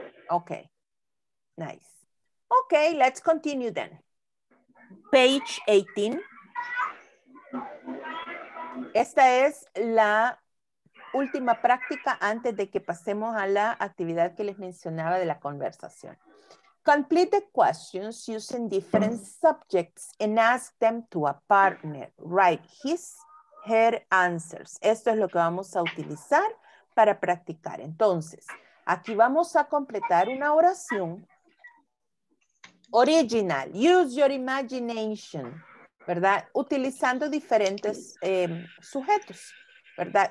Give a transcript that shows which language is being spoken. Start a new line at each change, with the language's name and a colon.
English: Okay. Nice. Okay, let's continue then. Page 18.
Spanish: Esta es la última práctica antes de que pasemos a la actividad que les mencionaba de la conversación.
English: Complete the questions using different subjects and ask them to a partner. Write his, her answers.
Spanish: Esto es lo que vamos a utilizar para practicar. Entonces, aquí vamos a completar una oración. Original.
English: Use your imagination,
Spanish: ¿verdad? Utilizando diferentes sujetos, ¿verdad?